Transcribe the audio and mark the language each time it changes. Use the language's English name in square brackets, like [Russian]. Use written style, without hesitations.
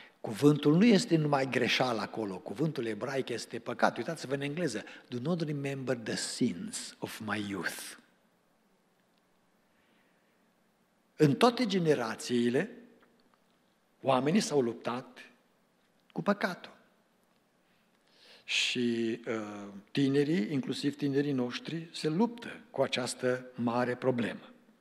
[Romanian] Cuvântul nu este numai greșeală acolo, cuvântul ebraic este păcat. Uitați-vă în engleză. [English] Do not remember the sins of my youth. [Romanian] În toate generațiile, oamenii s-au luptat cu păcatul. Și tinerii, inclusiv tinerii noștri, se luptă cu această mare problemă.